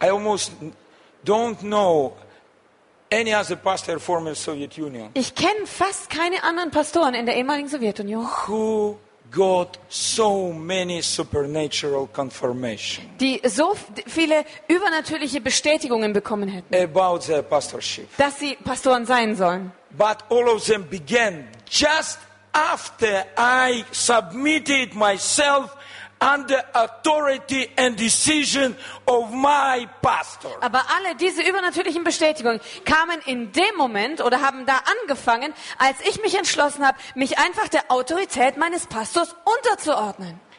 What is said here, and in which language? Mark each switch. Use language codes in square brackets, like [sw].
[en] I almost don't know any other pastor from the Soviet Union. [de] Ich kenne fast keine anderen Pastoren in der ehemaligen Sowjetunion. [en] Who got so many supernatural confirmation. [de] Die so viele übernatürliche Bestätigungen bekommen hätten. [en] About their pastorship. [de] Dass sie Pastoren sein sollen. [en] But all of them began just after I submitted myself under authority and decision of my pastor. [de] Aber alle diese übernatürlichen Bestätigungen kamen in dem Moment oder haben da angefangen, als ich mich entschlossen habe, mich einfach der Autorität meines Pastors unterzuordnen.